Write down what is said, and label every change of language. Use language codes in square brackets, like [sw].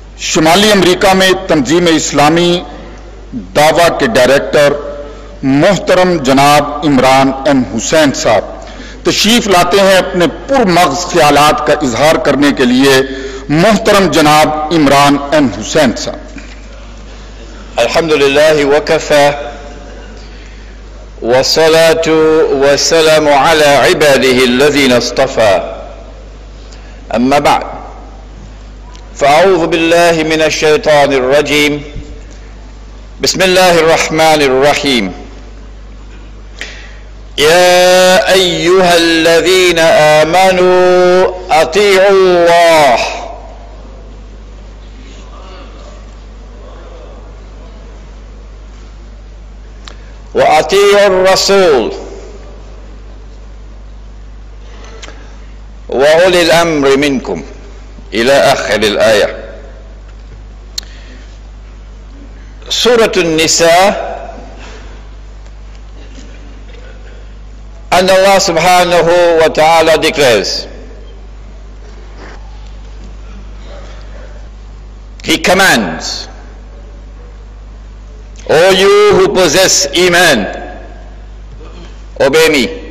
[ur] شمالی امریکہ میں تنظیم اسلامی دعویٰ کے ڈائریکٹر محترم جناب عمران ایم حسین صاحب تشریف لاتے ہیں اپنے پر مغز خیالات کا اظہار کرنے کے لیے۔ محترم جناب عمران ایم حسین صاحب، [ar] الحمدللہ وکفا والصلاة والسلام على عباده الذين اصطفى، اما بعد فأعوذ بالله من الشيطان الرجيم، بسم الله الرحمن الرحيم، يا أيها الذين آمنوا أطيعوا الله وأطيعوا الرسول وأولي الأمر منكم إلى آخر الآية. سورة النساء، أن الله سبحانه وتعالى [en] declares، He commands، O you who possess Iman, obey me.